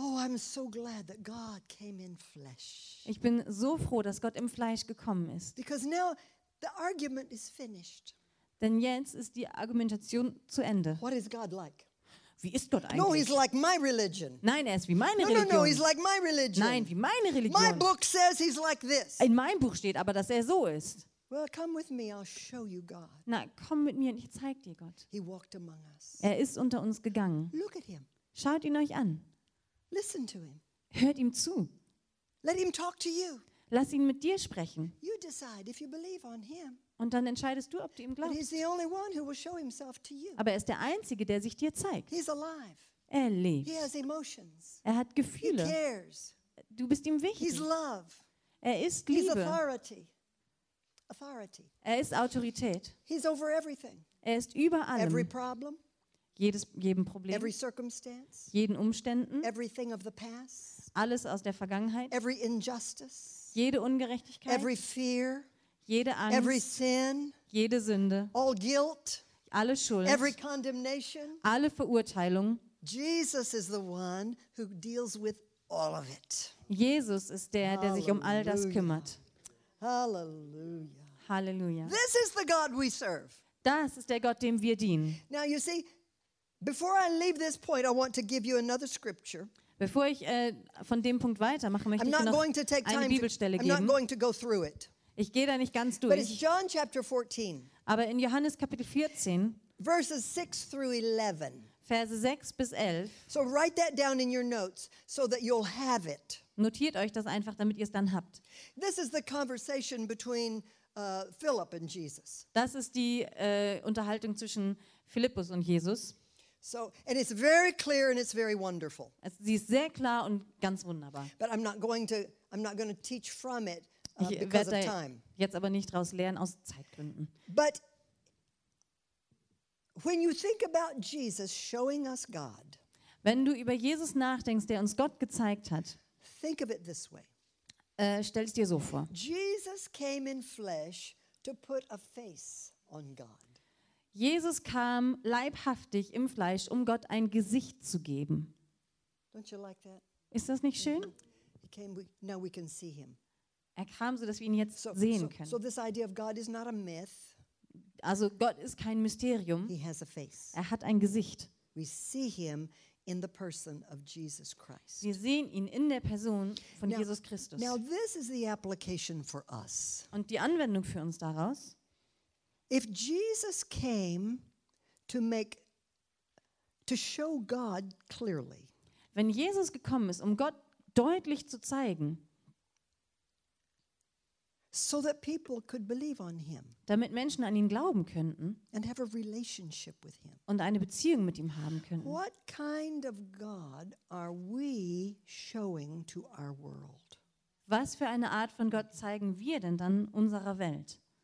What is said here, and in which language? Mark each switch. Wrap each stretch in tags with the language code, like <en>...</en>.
<en>Oh, I'm so glad that God came in flesh.</en> <de>Ich bin so froh, dass Gott im Fleisch gekommen ist.</de> <en>Because now the argument is finished.</en> <de>Denn jetzt ist die Argumentation zu Ende.</de> <en>What is God like?</en> <de>Wie ist Gott eigentlich?</de> <en>No, he's like my religion.</en> <de>Nein, er ist wie meine Religion.</de> <en>No, he's like my religion.</en> <de>Nein, wie meine Religion.</de> <en>My book says he's like this.</en> <de>In meinem Buch steht aber, dass er so ist.</de> <en>Well, come with me, I'll show you God.</en> <de>Na, komm mit mir und ich zeig dir Gott.</de> <en>He walked among us.</en> <de>Er ist unter uns gegangen.</de> <en>Look at him.</en> <de>Schaut ihn euch an.</de> <en>Listen to him.</en> <de>Hört ihm zu.</de> <en>Let him talk to you.</en> <de>Lass ihn mit dir sprechen.</de> <en>You decide if you believe on him.</en> <de>Und dann entscheidest du, ob du ihm glaubst.</de> <en>But he's the only one who will show himself to you.</en> <de>Aber er ist der Einzige, der sich dir zeigt.</de> <en>He's alive.</en> <de>Er lebt.</de> <en>He has emotions.</en> <de>Er hat Gefühle.</de> <en>He cares.</en> <de>Du bist ihm wichtig.</de> <en>He's love.</en> <de>Er ist Liebe.</de> <en>He's authority.</en> <de>Er ist Autorität.</de> <en>He's over everything.</en> <de>Er ist über allem.</de> <en>Every problem.</en> <de>Jedem Problem.</de> <en>Every circumstance.</en> <de>Jeden Umständen.</de> <en>Everything of the past.</en> <de>Alles aus der Vergangenheit.</de> <en>Every injustice.</en> <de>Jede Ungerechtigkeit.</de> <en>Every fear.</en> <de>Jede Angst.</de> <en>Every sin.</en> <de>Jede Sünde.</de> <en>All guilt.</en> <de>Alle Schuld.</de> <en>Every condemnation.</en> <de>Alle Verurteilung.</de> <en>Jesus is the one who deals with all of it.</en> <de>Jesus ist der, der sich um all das kümmert.</de> <en>Hallelujah.</en> <de>Hallelujah.</de> <en>This is the God we serve.</en> <de>Das ist der Gott, dem wir dienen.</de> <en>Now you see, before I leave this point, I want to give you another scripture.</en> <de>Bevor ich von dem Punkt weitermache, möchte ich noch eine Bibelstelle geben.</de> <en>I'm not going to go through it.</en> <de>Ich gehe da nicht ganz durch.</de> <en>But it's John chapter 14.</en> <de>Aber in Johannes Kapitel 14.</de> <en>Verses 6 through 11.</en> <de>Verse 6 bis 11.</de> <en>So write that down in your notes, so that you'll have it.</en> <de>Notiert euch das einfach, damit ihr es dann habt.</de> <en>This is the conversation between Philip and Jesus.</en> <de>Das ist die Unterhaltung zwischen Philippus und Jesus.</de> <en>So, and it's very clear and it's very wonderful.</en> <de>Sie ist sehr klar und ganz wunderbar.</de> <en>But I'm not going to teach from it because of time.</en> <de>Jetzt aber nicht draus lernen aus Zeitgründen.</de> <en>But when you think about Jesus showing us God.</en> <de>Wenn du über Jesus nachdenkst, der uns Gott gezeigt hat.</de> <en>Think of it this way.</en> <de>Stell es dir so vor.</de> <en>Jesus came in flesh to put a face on God.</en> <de>Jesus kam leibhaftig im Fleisch, um Gott ein Gesicht zu geben.</de> <en>Don't you like that?</en> <de>Ist das nicht schön?</de> <en>He came, now we can see him.</en> <de>Er kam so, dass wir ihn jetzt sehen können.</de> <en>So this idea of God is not a myth.</en> <de>Also Gott ist kein Mysterium.</de> <en>He has a face.</en> <de>Er hat ein Gesicht.</de> <en>We see him in the person of Jesus Christ.</en> <de>Wir sehen ihn in der Person von</de> <en>now,</en> <de>Jesus Christus.</de> <en>Now this is the application for us.</en> <de>Und die Anwendung für uns daraus.</de> <en>If Jesus came to show God clearly.</en> <de>Wenn Jesus gekommen ist, um Gott deutlich zu zeigen.</de> <en>So that people could believe on him.</en> <de>Damit Menschen an ihn glauben könnten.</de> <en>And have a relationship with him.</en> <de>Und eine Beziehung mit ihm haben könnten.</de> <en>What kind of God are we showing to our world?</en> <de>Was für eine Art von Gott zeigen wir denn dann unserer Welt?</de>